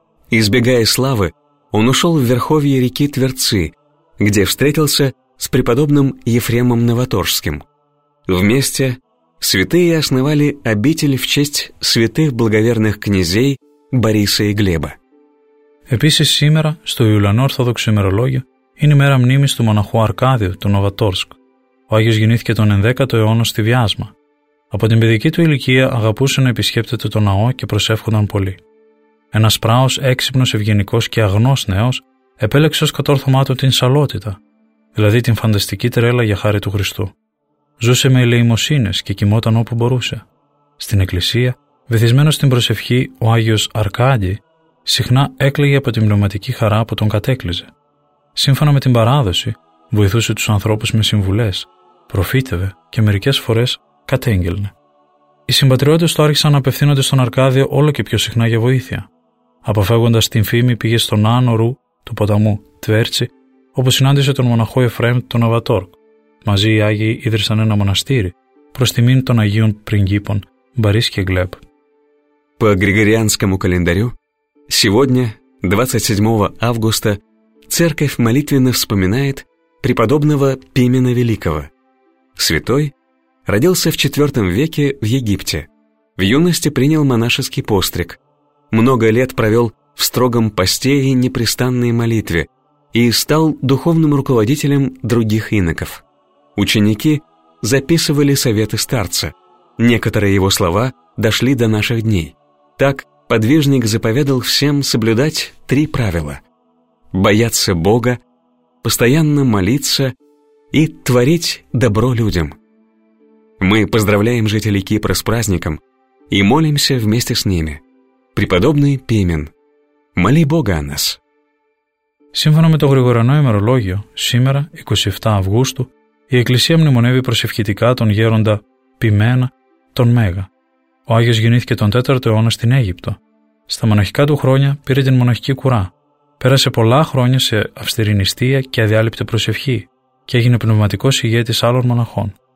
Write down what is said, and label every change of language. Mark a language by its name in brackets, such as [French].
[Russian] Избегая славы, он ушел в верховье реки Тверцы, где встретился с преподобным Ефремом Новоторжским. Вместе святые основали обитель в честь святых благоверных князей Бориса и Глеба. [Greek] Επίσης σήμερα, στο Ιουλιανό Ορθόδοξο ημερολόγιο, είναι η μέρα μνήμης του μοναχού Αρκάδιου, του Νοβατόρσκ. Ο Άγιος γεννήθηκε τον 10ο αιώνα στη Βιάσμα. Από την παιδική του ηλικία αγαπούσε να επισκέπτεται το ναό και προσεύχονταν πολύ. Ένας πράος, έξυπνος, ευγενικός και αγνός νέος, επέλεξε ως κατόρθωμά του την σαλότητα, δηλαδή την φανταστική τρέλα για χάρη του Χριστού. Ζούσε με ελεημοσύνες και κοιμόταν όπου μπορούσε. Στην εκκλησία, βυθισμένος στην προσευχή, ο Άγιος Αρκάδι συχνά έκλαιγε από την πνευματική χαρά που τον κατέκλυζε. Σύμφωνα με την παράδοση, βοηθούσε τους ανθρώπους με συμβουλές, προφήτευε και μερικές φορές κατέγγελνε. Οι συμπατριώτες του άρχισαν να απευθύνονται στον Αρκάδιο όλο και πιο συχνά για βοήθεια. Αποφεύγοντας την φήμη, πήγε στον Άνω Ρου του ποταμού Τβέρτσι, όπου συνάντησε τον μοναχό Εφραίμ τον Νοβατόρκ. Μαζί οι Άγιοι ίδρυσαν ένα μοναστήρι προς τιμήν των Αγίων Πριγκίπων Μπαρίς και Γκλέπ. [Russian] По Григорианскому календарю, сегодня, 27 августа, церковь молитвенно вспоминает преподобного Пимена Великого. Святой родился в 4 веке в Египте. В юности принял монашеский постриг. Много лет провел в строгом посте и непрестанной молитве и стал духовным руководителем других иноков. Ученики записывали советы старца. Некоторые его слова дошли до наших дней. Так подвижник заповедал всем соблюдать три правила: бояться Бога, постоянно молиться и творить добро людям. Мы поздравляем жителей Кипра с праздником и молимся вместе с ними. Преподобный Пимен, моли Бога о нас. [Greek] Σύμφωνα με το Γρηγοριανό ημερολόγιο, σήμερα, 27 Αυγούστου, η Εκκλησία μνημονεύει προσευχητικά τον γέροντα Πιμένα τον Μέγα. Ο Άγιος γεννήθηκε τον 4ο αιώνα στην Αίγυπτο. Στα μοναχικά του χρόνια πήρε την μοναχική κουρά. Πέρασε πολλά χρόνια σε αυστηρή νηστεία και αδιάλειπτη προσευχή και έγινε πνευματικός ηγέτης άλλων μοναχών.